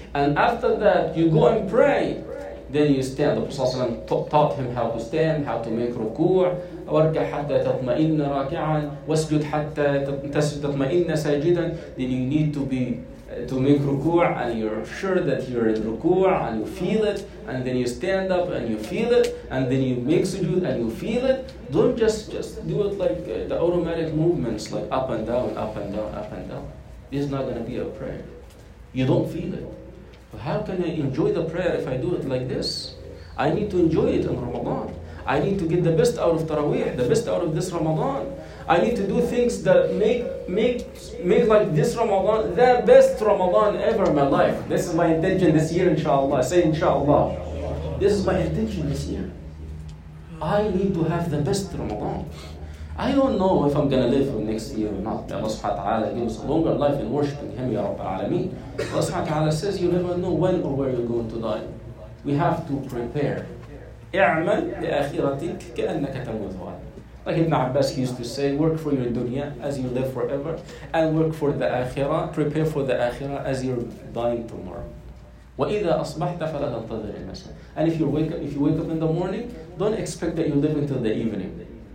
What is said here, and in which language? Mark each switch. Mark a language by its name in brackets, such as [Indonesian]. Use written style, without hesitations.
[English] And after that, you go and pray. Then you stand. The Prophet ﷺ taught him how to stand, how to make ruku'. [Arabic] وَرْكَ حَتَّى تَطْمَئِنَّ رَاكِعًا وَاسْجُدْ حَتَّى تَسْجُدْ تَطْمَئِنَّ سَاجِدًا. [English] Then you need to be to make ruku' and you're sure that you're in ruku' and you feel it, and then you stand up and you feel it, and then you make sujood and you feel it. Don't just do it like the automatic movements, like up and down, up and down, up and down. This is not going to be a prayer. You don't feel it. But how can I enjoy the prayer if I do it like this? I need to enjoy it in Ramadan. I need to get the best out of Taraweeh, the best out of this Ramadan. I need to do things that make like this Ramadan the best Ramadan ever in my life. This is my intention this year, inshallah. Say inshallah. This is my intention this year. I need to have the best Ramadan. I don't know if I'm going to live for next year or not. Allah subhanahu wa ta'ala gives a longer life in worshiping Him, Ya Rabbil Alameen. Allah subhanahu wa ta'ala says, you never know when or where you're going to die. We have to prepare. [Arabic] اعمل لآخرتك كأنك تموت غدا. [English] Like Ibn Abbas used to say, work for your dunya as you live forever, and work for the akhirah, prepare for the akhirah as you're dying tomorrow. [Arabic] وَإِذَا أَصْبَحْتَ فَلَا تَنْتَظِرِ الْمَسَاءَ. [English] And if you wake up in the morning, don't expect that you live until the evening.